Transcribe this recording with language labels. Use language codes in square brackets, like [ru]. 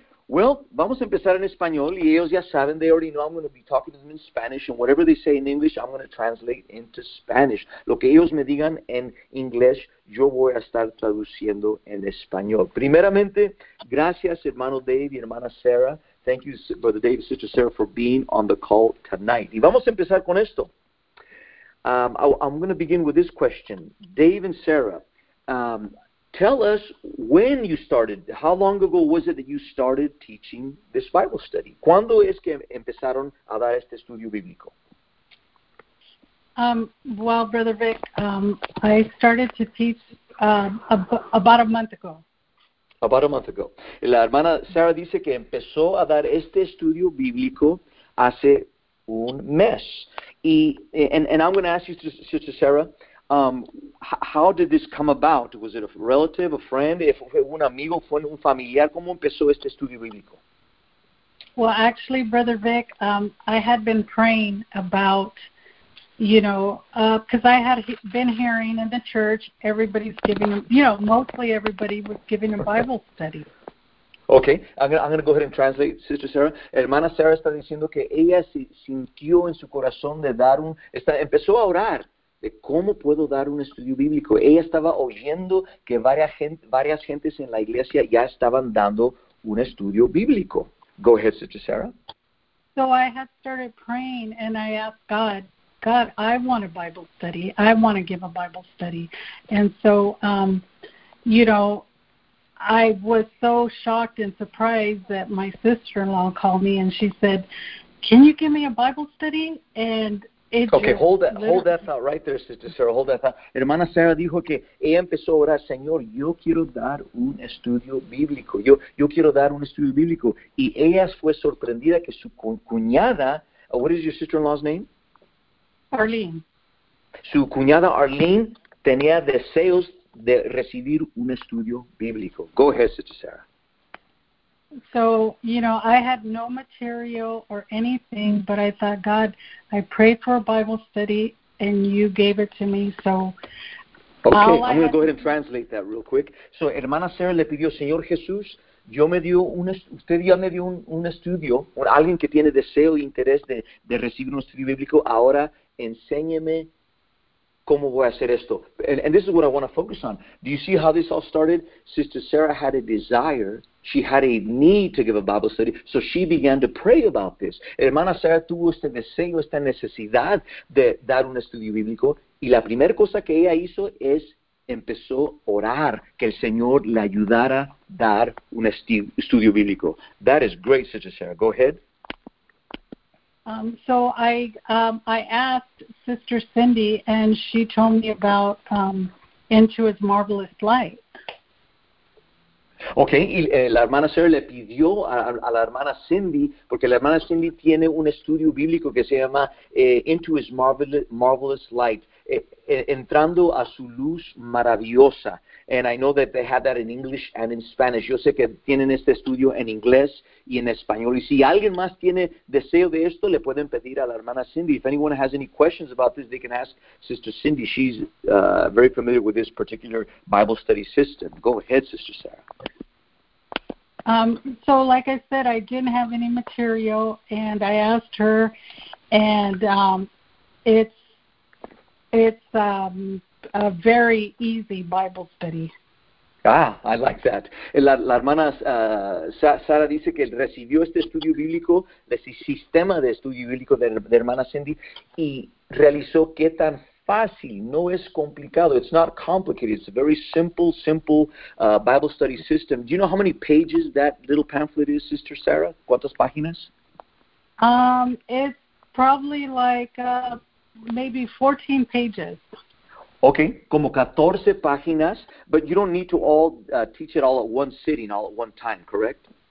[en] Well, [es] vamos a empezar en español, y ellos ya saben, [en] they already know I'm going to be talking to them in Spanish, and whatever they say in English, I'm going to translate into Spanish. [es] Lo que ellos me digan en inglés, yo voy a estar traduciendo en español. Primeramente, gracias, hermano Dave y hermana Sarah. [en] Thank you, Brother Dave and Sister Sarah, for being on the call tonight. [es] Y vamos a empezar con esto. [en] I'm going to begin with this question. Dave and Sarah, tell us when you started. How long ago was it that you started teaching this Bible study? [es] ¿Cuándo es que empezaron a dar este estudio bíblico? [en] Well, Brother Vic, I started to teach about a month ago. About a month ago. [es] La hermana Sarah dice que empezó a dar este estudio bíblico hace un mes. [en] And I'm going to ask you, Sister Sarah, how did this come about? Was it a relative, a friend? [es] If fue un amigo, fue un familiar, ¿cómo empezó este estudio bíblico? [en] Well, actually, Brother Vic, I had been praying about, you know, because I had been hearing in the church, everybody's giving them, you know, mostly everybody was giving a Bible study. Okay, I'm going to go ahead and translate, Sister Sarah. [es] Hermana Sarah está diciendo que ella se sintió en su corazón de dar un, empezó a orar de cómo puedo dar un estudio bíblico. Ella estaba oyendo que varias gentes en la iglesia ya estaban dando un estudio bíblico. [en] Go ahead, Sister Sarah. So I had started praying and I asked God, God, I want a Bible study. I want to give a Bible study. And so, you know, I was so shocked and surprised that my sister-in-law called me and she said, can you give me a Bible study? And okay, hold that thought right there, Sister Sarah. Hold that thought. [es] Hermana Sarah dijo que ella empezó a orar, Señor, yo quiero dar un estudio bíblico. Yo quiero dar un estudio bíblico. Y ella fue sorprendida que su cuñada, [en] what is your sister-in-law's name? Arlene. [es] Su cuñada Arlene tenía deseos de recibir un estudio bíblico. [en] Go ahead, Sister Sarah. So, you know, I had no material or anything, but I thought, God, I prayed for a Bible study, and you gave it to me, so. Okay, I'm going to go ahead and translate that real quick. [es] So, hermana Sarah le pidió, Señor Jesús, usted ya me dio un estudio, o alguien que tiene deseo e interés de recibir un estudio bíblico, ahora enséñeme cómo voy a hacer esto. [en] And this is what I want to focus on. Do you see how this all started? Sister Sarah had a desire. She had a need to give a Bible study, so she began to pray about this. [es] Hermana Sarah tuvo este deseo, esta necesidad de dar un estudio bíblico, y la primera cosa que ella hizo es empezó a orar que el Señor le ayudara a dar un estudio bíblico. [en] That is great, Sister Sarah. Go ahead. So I asked Sister Cindy, and she told me about Into His Marvelous Light. [es] Okay, y la hermana Sarah le pidió a la hermana Cindy, porque la hermana Cindy tiene un estudio bíblico que se llama Into His Marvelous Light, Entrando a su luz maravillosa. [en] And I know that they have that in English and in Spanish. [es] Yo sé que tienen este estudio en inglés y en español. Y si alguien más tiene deseo de esto, le pueden pedir a la hermana Cindy. [en] If anyone has any questions about this, they can ask Sister Cindy. She's very familiar with this particular Bible study system. Go ahead, Sister Sarah. So like I said, I didn't have any material, and I asked her, and it's a very easy Bible study. Ah, I like that. [es] La hermana Sara dice que recibió este estudio bíblico, este sistema de estudio bíblico de hermana Cindy, y realizó qué tan fácil, no es complicado. [en] It's not complicated. It's a very simple Bible study system. Do you know how many pages that little pamphlet is, Sister Sarah? [es] ¿Cuántas páginas? [en] It's probably like maybe 14 pages. Okay, [es] como 14 páginas, [en] but you don't need to all teach it all at one sitting, all at one time, correct?